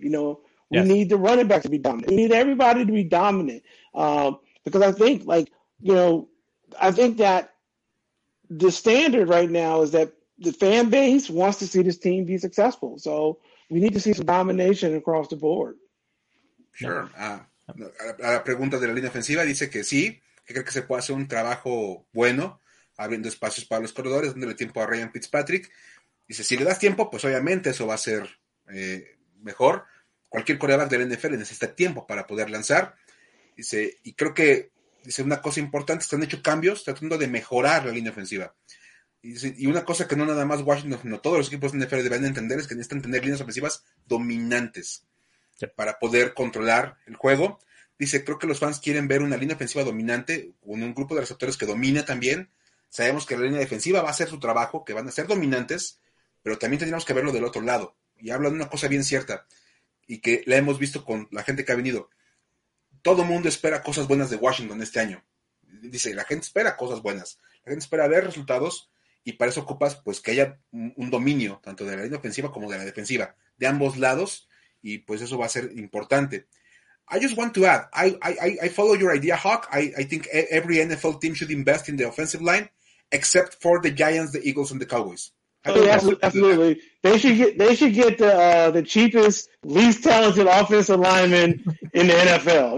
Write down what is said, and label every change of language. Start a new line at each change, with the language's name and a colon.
English: You know, we need the running backs to be dominant. We need everybody to be dominant. Because I think, like, you know, I think that the standard right now is that the fan base wants to see this team be successful. So we need to see some domination across the board. Sure.
Spanish: A la pregunta de la línea ofensiva dice que sí, que cree que se puede hacer un trabajo bueno abriendo espacios para los corredores, dándole tiempo a Ryan Fitzpatrick. Dice, si le das tiempo, pues obviamente eso va a ser mejor. Cualquier corredor del NFL necesita tiempo para poder lanzar. Dice, y creo que, dice, una cosa importante, se han hecho cambios tratando de mejorar la línea ofensiva. Dice, y una cosa que no nada más Washington, sino todos los equipos de NFL deben entender, es que necesitan tener líneas ofensivas dominantes. Sí. Para poder controlar el juego. Dice, creo que los fans quieren ver una línea ofensiva dominante, con un grupo de receptores que domina también. Sabemos que la línea defensiva va a hacer su trabajo, que van a ser dominantes, pero también tendríamos que verlo del otro lado. Y hablan de una cosa bien cierta, y que la hemos visto con la gente que ha venido. Todo mundo espera cosas buenas de Washington este año. Dice, la gente espera cosas buenas. La gente espera ver resultados, y para eso ocupas, pues, que haya un dominio, tanto de la línea ofensiva como de la defensiva, de ambos lados. Y pues eso va a ser importante.
English: I just want to add, I follow your idea, Hawk. I think every NFL team should invest in the offensive line, except for the Giants, the Eagles, and the Cowboys. Absolutely. They should get the cheapest, least talented offensive lineman in the NFL.